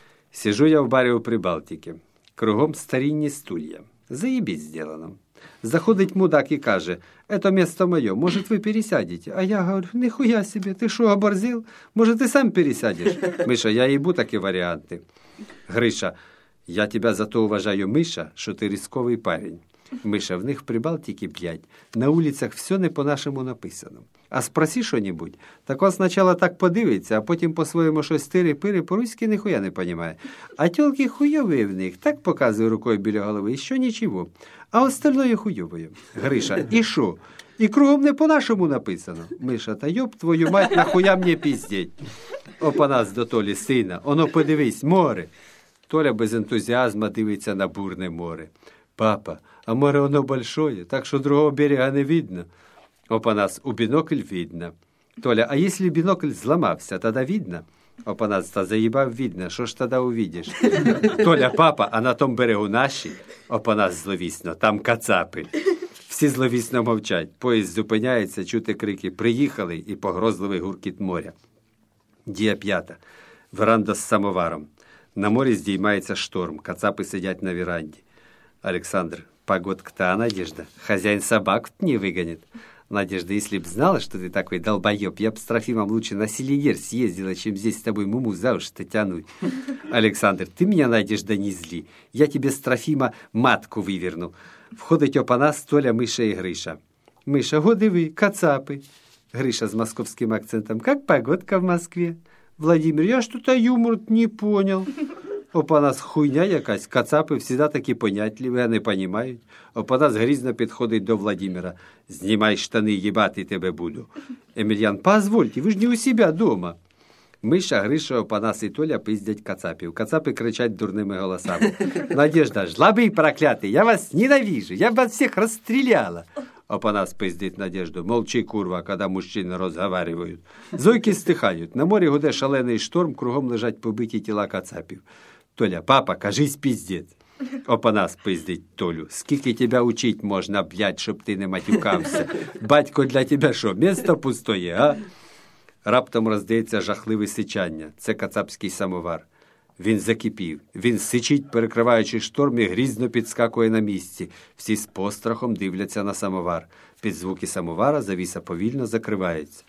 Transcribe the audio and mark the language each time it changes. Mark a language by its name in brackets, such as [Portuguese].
[Ukrainian] Сижу я в барі у Прибалтіки. Кругом старінні стулья. Заєбіть зділено. Заходить мудак і каже: «Это місце моє, може ви пересядете?» А я говорю: «Нихуя себе, ти що, оборзил? Може ти сам пересядеш?» [Russian] Миша: [Ukrainian] «Я їбу такі варіанти». [Russian] Гриша: «Я тебя за то уважаю, Миша, що ти рисковий парень». Миша: «В них в Прибалтике, блядь, на улицах все не по-нашому написано. А спроси что-нибудь, так он сначала так подивиться, а потом по-своему что-то тири-пири, по-русски нихуя не понимает. А тёлки хуёвые в них, так показываю рукой біля голови, еще ничего. А остальное хуёвое». Гриша: «И шо? И кругом не по-нашему написано». Миша: «Та ёб твою мать, нахуя мне пиздеть? [Ukrainian] Опанас до Толи, сына, оно подивись, море». [Russian] Толя без энтузиазма [Ukrainian] дивиться на бурне море. [Russian] «Папа, а море оно большое, так что другого берега не видно». Опанас: «У бинокль видно». Толя: «А если бинокль взломался, тогда видно?» Опанас: «Та заебав видно, что ж тогда увидишь?» Толя: «Папа, а на том берегу наши?» [Ukrainian] Опанас зловісно: «Там кацапи». Всі зловісно мовчать. Поезд зупиняється, чути крики: «Приїхали!» І погрозливий гуркіт моря. Дія п'ята. Веранда з самоваром. На морі здіймається шторм. Кацапи сидять на веранді. [Russian] Александр: «Погодка-то, а Надежда? Хозяин собак не выгонит». Надежда: «Если б знала, что ты такой долбоеб, я б с Трофимом лучше на Селигер съездила, чем здесь с тобой муму за уши-то тянуть». Александр: «Ты меня, Надежда, не зли. Я тебе с Трофима матку выверну». Входить Опанас, Толя, Миша и Гриша. Миша: «Годивы, кацапы». Гриша с московским акцентом: «Как погодка в Москве?» Владимир: «Я что-то юмор не понял». [Ukrainian] Опанас: «Хуйня якась, кацапи всегда такі понятливі, а не понимають». Опанас грізно підходить до Владимира: «Знімай штани, їбати тебе буду». [Russian] Емельян: «Позвольте, ви ж не у себе дома». [Ukrainian] Миша, Гриша, Опанас і Толя пиздять кацапів. Кацапи кричать дурними голосами: «Надежда, жлобий проклятий, я вас ненавижу, я б вас всіх розстріляла». Опанас пиздить Надежду: [Russian] «Молчи, курва», когда мужчины разговаривают. [Ukrainian] Зойки стихають. На морі гуде шалений шторм, кругом лежать побиті тіла кацапів. Толя: «Папа, кажись, пиздец». Опанас пиздить Толю: «Скільки тебя учить можна, блядь, щоб ти не матюкався? [Russian] Батько для тебя що, место пустое, а?» [Ukrainian] Раптом роздається жахливе сичання. Це кацапський самовар. Він закипів. Він сичить, перекриваючи шторм, і грізно підскакує на місці. Всі з пострахом дивляться на самовар. Під звуки самовара завіса повільно закривається.